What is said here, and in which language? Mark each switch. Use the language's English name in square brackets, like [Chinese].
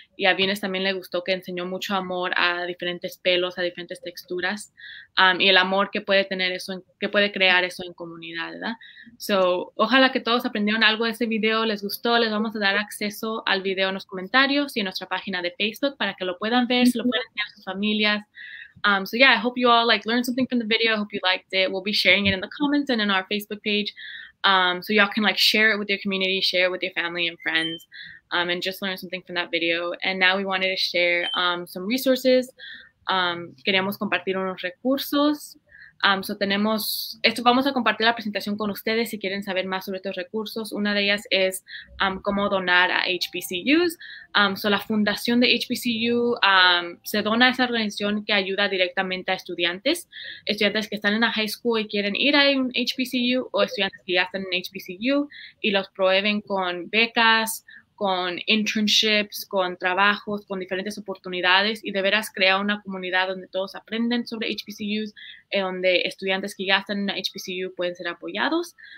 [Spanish] Y a Vienes también le gustó que enseñó mucho amor a diferentes pelos, a diferentes texturas, y el amor que puede tener eso, que puede crear eso en comunidad, ¿verdad? So, ojalá que todos aprendieron algo de ese video, les gustó, les vamos a dar acceso al video en los comentarios y en nuestra página de Facebook para que lo puedan ver, se lo puedan enseñar a sus familias. [English] So yeah, I hope you all like learned something from the video. I hope you liked it. We'll be sharing it in the comments and in our Facebook page. So y'all can like share it with your community, share it with your family and friends, and just learn something from that video. And now we wanted to share some resources. [Spanish] Queríamos compartir unos recursos. So tenemos, esto vamos a compartir la presentación con ustedes si quieren saber más sobre estos recursos. Una de ellas es cómo donar a HBCUs. So la fundación de HBCU se dona a esa organización que ayuda directamente a estudiantes que están en la high school y quieren ir a un HBCU, o estudiantes que ya están en HBCU y los prueben con becas, con internships, con trabajos, con diferentes oportunidades, y de veras crea una comunidad donde todos aprenden sobre HBCUs, donde estudiantes que ya están en una HBCU pueden ser apoyados.